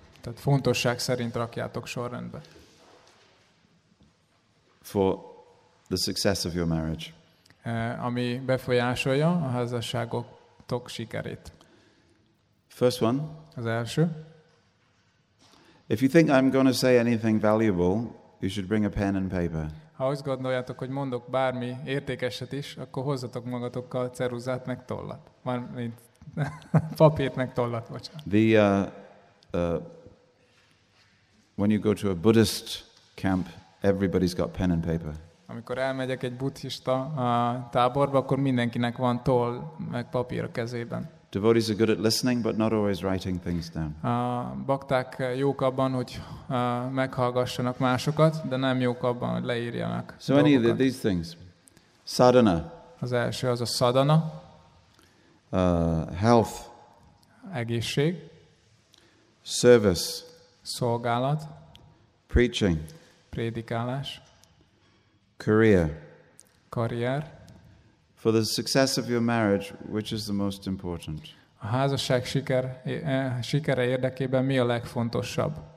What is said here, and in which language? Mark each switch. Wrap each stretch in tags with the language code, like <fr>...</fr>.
<hu>Tehát fontosság szerint rakjátok sorrendbe.</hu> <en>For the success of your marriage.</en> <hu>Ami befolyásolja a házasságotok sikerét.</hu> <en>First one.</en> <hu>Az első.</hu> <en>If you think I'm going to say anything valuable, you should bring a pen and paper.</en> <hu>Ha azt gondoljátok, hogy mondok bármi értékeset is, akkor hozzatok magatokkal ceruzát meg tollat. Mármint papírt meg tollat, bocsánat.</hu> <en>When you go to a Buddhist camp, everybody's got pen and paper.</en> <hu>Amikor elmegyek egy buddhista táborba, akkor mindenkinek van toll meg papír a kezében.</hu> <en>Devotees are good at listening, but not always writing things down.</en> <hu>Bakták jók abban, hogy meghallgassanak másokat, de nem jók abban, hogy leírjanak.</hu> <en>So any of these things. Sadhana.</en> <hu>Az első az a sadhana.</hu> <en>Health.</en> <hu>Egészség.</hu> <en>Service.</en> <hu>Szolgálat.</hu> <en>Preaching.</en> <hu>Prédikálás.</hu> <en>Career.</en> <hu>Karrier.</hu> <en>For the success of your marriage, which is the most important?</en> <hu>A házasság sikere érdekében mi a legfontosabb?</hu>